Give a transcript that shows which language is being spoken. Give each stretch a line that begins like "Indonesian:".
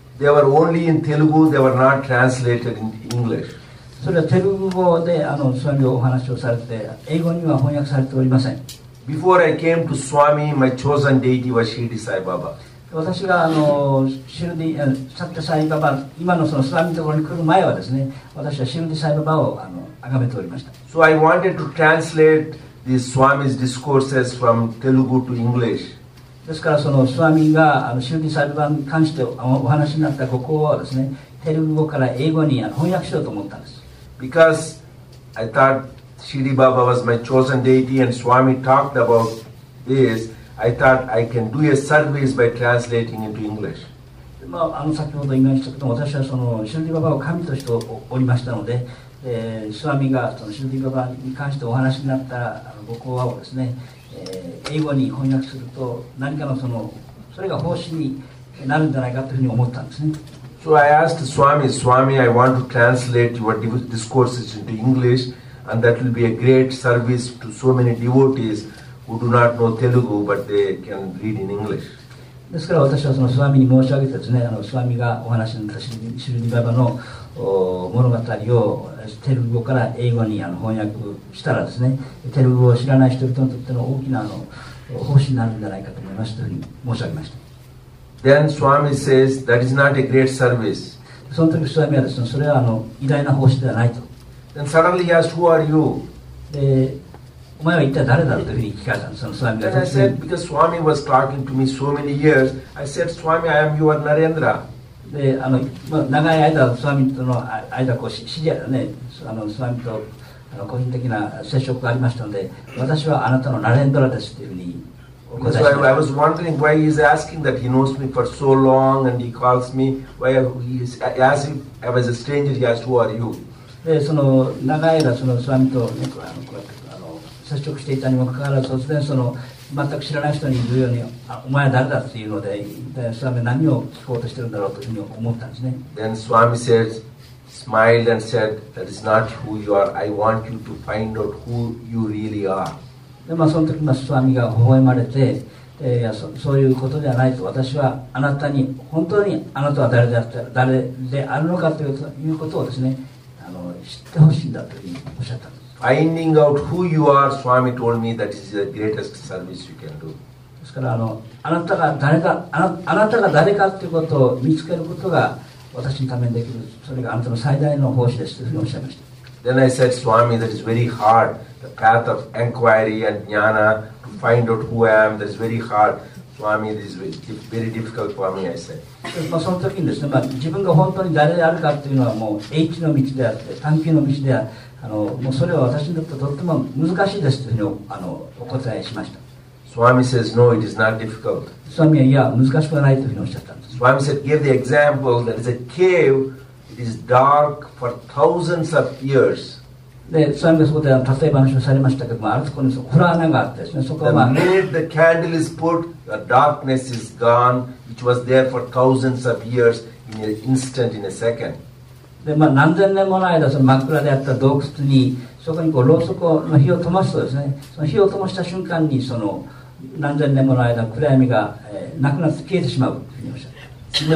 English: They were only in Telugu, they were not translated in English.
Japanese: それはテルグ語であのスワミをお話をされて、英語には翻訳されておりません。
English: Before I came to Swami, my chosen deity was シルディサイババ。
Japanese: 私があのシルディ、サッタサイババ、今のそのスワミのところに来る前はですね、私はシルディサイババをあの崇めておりました。
English: So I wanted to translate. This Swami's discourses from Telugu to English.
Japanese: ですからそのスワミがあのシルディサイババに関してお話になったご講話をですね、テルグ語から英語に翻訳しようと思ったんです。
English: Because I thought Shirdi Baba was my chosen deity and Swami talked about this, I thought I can do a service by translating into English.
Japanese: まあ、先ほど言いましたけど、私はそのシュルディババを神としておりましたので、スワミがそのシュルディババに関してお話になったら、ご講話をですね、英語に翻訳すると何かのその、それが奉仕になるんじゃないかというふうに思ったんですね。
English: So I asked the Swami, Swami, I want to translate your discourses into English, and that will be a great service to so many devotees who do not know Telugu, but they can read in English.
Japanese: ですから私はそのスワミに申し上げてですね、スワミがお話しになったシルディババの物語をテルグ語から英語に翻訳したらですね、テルグ語を知らない人々にとっての大きな奉仕になるんじゃないかと思いますというふうに申し上げました。
English: Then Swami says that is not a great service.
Japanese: その時スワミはですね、それは偉大な奉仕ではないと。
English: Then suddenly he asked, who are you?
Japanese: で、お前は一体誰だろうというふうに聞かれたんです、そのスワミが。
English: Then I said, because Swami was talking to me so many years, I said, Swami, I am your Narendra.
Japanese: で、まあ、長い間、スワミとの間こう、知り合いだね、スワミと個人的な接触がありましたので、私はあなたのナレンドラですというふうにお答えしました。
English: So I was wondering why he is asking that. He knows me for so long and he calls me. Why he is asking? I was a stranger. He asked, who are you?
Japanese: で、その長い間、そのスワミと、ね、接触していたにもかかわらず、突然その全く知らない人に言うように、お前は誰だというので、スワミは何を聞こうとしているんだろうというふうに思ったんですね。
English: Then Swami said, smiled and said, that is not who you are. I want you to find out who you really are.
Japanese: で、まあ、その時、スワミが微笑まれて、いや、そういうことではないと、私はあなたに、本当にあなたは誰であるのかということをですね、知ってほしいんだというふうにおっしゃったんです。
English: Finding out who you are, Swami told me that is the greatest service you can do.
Japanese: ですから、あなたが誰か、あなたが誰かということを見つけることが私のためにできる、それがあなたの最大の奉仕ですというふうにおっしゃいました。
English: Then I said, Swami, that is very hard, the path of inquiry and jnana, to find out who I am, that is very hard. Swami, this is very difficult for me, I said.
Japanese: まあ、その時にですね、まあ、自分が本当に誰であるかというのはもう英知の道であって、探求の道であって、もうそれは私にとってとっても難しいですというふうにお答えしました。
English: Swami says, no, it is not difficult.
Japanese: Swami は、いや、難しくはないというふうにおっしゃったんです。
English: Swami said, give the example, there is a cave, it is dark for thousands of years.
Japanese: で、Swami がそこで例え話をされましたけども、あるところに暗穴があってですね、そこは、まあ、
English: the minute the candle is put, the darkness is gone, which was there for thousands of years, in an instant, in a second.
Japanese: で、まあ、何千年もの間その真っ暗であった洞窟にそこにこうろうそくの火を灯すとですね、その火を灯した瞬間にその何千年もの間暗闇が、なくなって消えてしまうというふうにおっしゃった。